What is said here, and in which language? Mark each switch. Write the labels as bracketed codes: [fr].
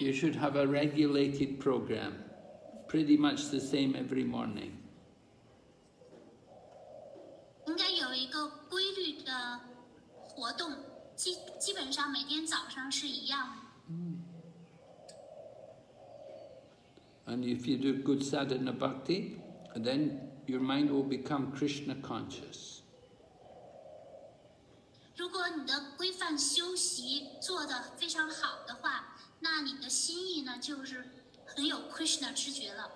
[en] You should have a regulated program, pretty much the same every morning。 [zh] 应该有一个规律的活动，基本上每天早上是一样的。 [en] And if you do good sadhana bhakti, then your mind will become Krishna conscious. [zh] 如果你的规范修习做得非常好的话，那你的心意呢，就是很有 Krishna 知觉了。